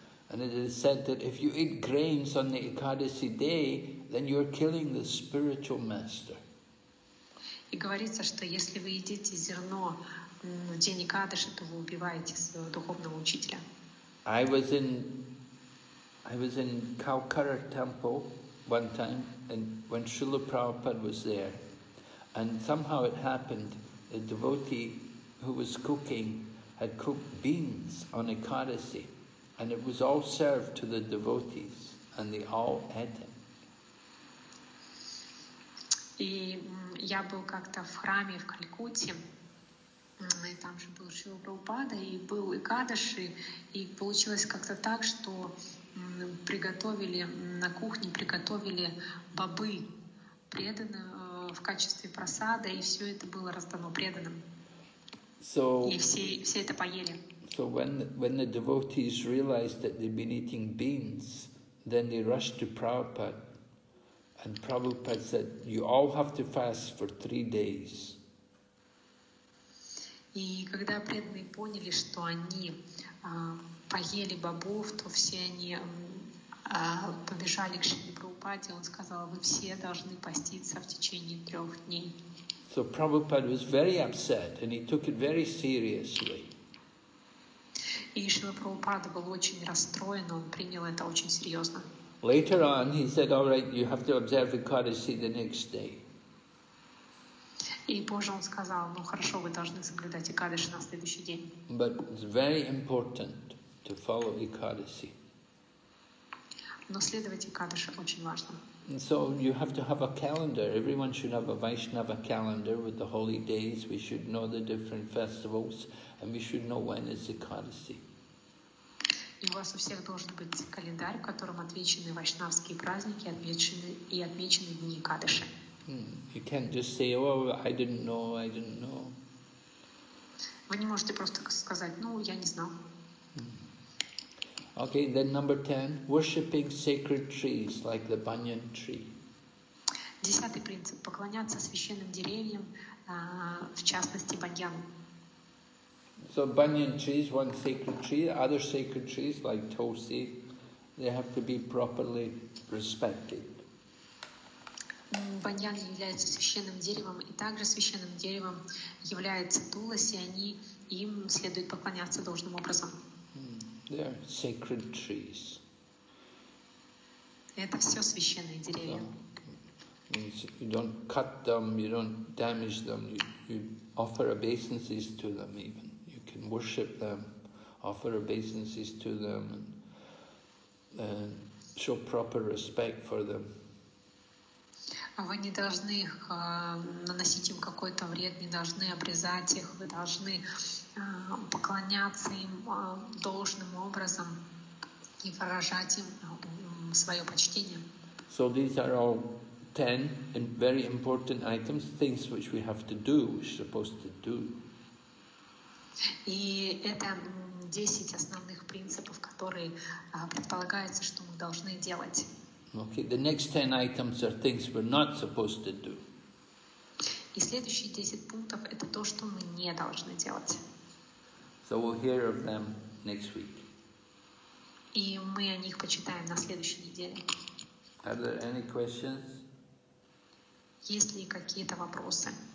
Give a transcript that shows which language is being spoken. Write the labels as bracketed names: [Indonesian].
[English] And it is said that if you eat grains on the Ekadasi day, then you are killing the spiritual master. [Russian] И говорится, что если вы едите зерно в день Экадаши, то вы убиваете своего духовного учителя. [English] I was in Kaukara temple one time, and when Srila Prabhupada was there, and somehow it happened, a devotee who was cooking had cooked beans on Ekadasi, and it was all served to the devotees, and they all ate it. [Russian] И я был как-то в храме в Калькутте, и там же был Шрила Прабхупада, и был Экадаши, и получилось как-то так, что приготовили на кухне, приготовили бобы преданные в качестве просада, и все это было раздано преданным. [English] So, [Russian] и все это поели. [English] So when the devotees realized that they'd been eating beans, then they rushed to Prabhupada. And Prabhupada said, you all have to fast for 3 days. [Russian] И когда преданные поняли, что они поели бобов, то все они побежали к Шри Прабхупаде. Он сказал, вы все должны поститься в течение 3 дней. [English] So Prabhupada was very upset, and he took it very seriously. [Russian] И Шрила Прабхупада был очень расстроен, он принял это очень серьезно. [English] Later on, he said, all right, you have to observe Ekadasi the next day. [Russian] И позже он сказал, ну хорошо, вы должны соблюдать Экадаши на следующий день. [English] But it's very important to follow Ekadasi. [Russian] Но следовать Экадаши очень важно. [English] And so you have to have a calendar. Everyone should have a Vaishnava calendar with the holy days. We should know the different festivals, and we should know when is Ekadasi. [Russian] И у вас у всех должен быть календарь, в котором отмечены вайшнавские праздники и отмечены дни Экадаши. [English] You can't just say, oh, I didn't know. [Russian] Вы не можете просто сказать, ну, я не знал. [English] Okay, then number 10, worshipping sacred trees like the banyan tree. [Russian] Десятый принцип, поклоняться священным деревьям, в частности, баньяну. [English] So banyan trees, one sacred tree, other sacred trees like tulsi, they have to be properly respected. [Russian] Баньян является священным деревом, и также священным деревом является туласи, они им следует поклоняться должным образом. [English] They are sacred trees. [Russian] Это все священные деревья. [English] Means you don't cut them, you don't damage them, you offer obeisances to them even. You can worship them, offer obeisances to them, and show proper respect for them. [Russian] Вы не должны их наносить им какой-то вред, не должны обрезать их, вы должны поклоняться им должным образом и выражать им свое почтение. [English] So these are all 10 and very important items, things which we have to do, which we're supposed to do. [Russian] И это 10 основных принципов, которые предполагается, что мы должны делать. [English] Okay, the next 10 items are things we're not supposed to do. [Russian] И следующие 10 пунктов это то, что мы не должны делать. [English] So we'll hear of them next week. [Russian] И мы о них почитаем на следующей неделе. [English] Are there any questions? [Russian] Есть ли какие-то вопросы?